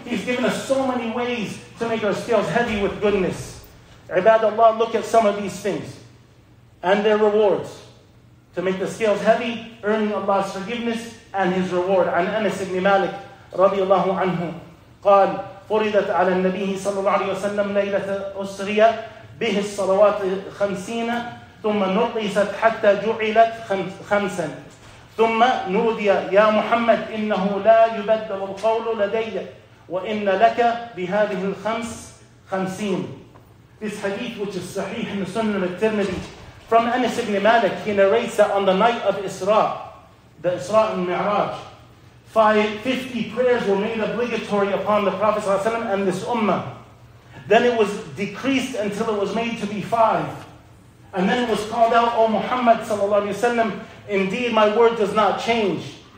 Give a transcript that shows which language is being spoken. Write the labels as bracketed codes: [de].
[en] He's given us so many ways to make our scales heavy with goodness. Ibadallah, look at some of these things and their rewards. To make the scales heavy, earning Allah's forgiveness and His reward. [ar] عن أنس بن مالك رضي الله عنه قال فرضت على النبي صلى الله عليه وسلم ليلة أسرية به الصلوات خمسين ثم نقصت حتى جعلت خمسا ثم نودي يا محمد إنه لا يبدل القول لدي وإن لك بهذه الخمس خمسين. [en] This hadith, which is sahih in the Sunan al-Tirmidhi, from Anas ibn Malik, he narrates that on the night of Isra, the Isra and Mi'raj, 50 prayers were made obligatory upon the Prophet ﷺ and this ummah. Then it was decreased until it was made to be 5. And then it was called out, O Muhammad ﷺ, indeed my word does not change.